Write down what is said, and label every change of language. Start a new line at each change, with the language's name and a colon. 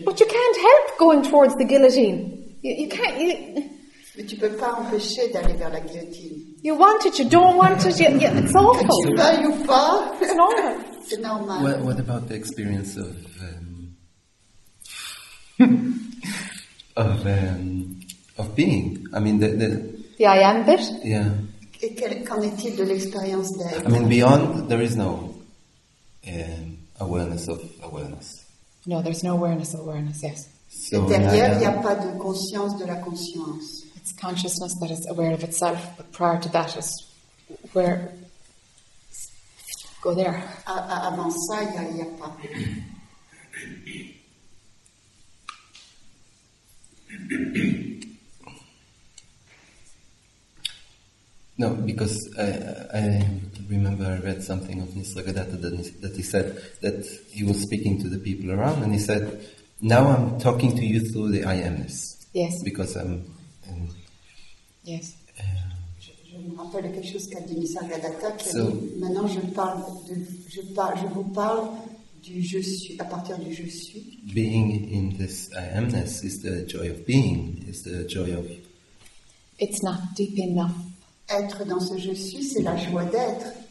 English: But you can't help going towards the guillotine. You can't.
French: Mais tu peux pas empêcher d'aller vers la guillotine.
English: You want it, you don't want it. Yeah, it's awful.
French: Tu veux ou pas?
English: It's normal.
French: C'est normal.
English: What about the experience of of being? I mean, the I am bit? Yeah.
French: Et qu'en est-il de l'expérience d'être?
English: I mean, beyond, there is no awareness of awareness. No, there's no awareness of awareness, yes.
French: So derrière, il n'y a pas de conscience de la conscience.
English: It's consciousness that is aware of itself, but prior to that is where... go there.
French: Avant ça, il n'y a pas.
English: No, because I remember I read something of Nisargadatta that he said that he was speaking to the people around, and he said, "Now I'm talking to you through the I amness." Yes. Because I'm. Yes.
French: Je me rappelle quelque chose qu'a dit Nisargadatta. Maintenant, je vous parle du je suis à partir du je suis.
English: Being in this I amness is the joy of being. Is the joy of. It's not deep enough.
French: Être dans ce je suis, c'est la joie d'être.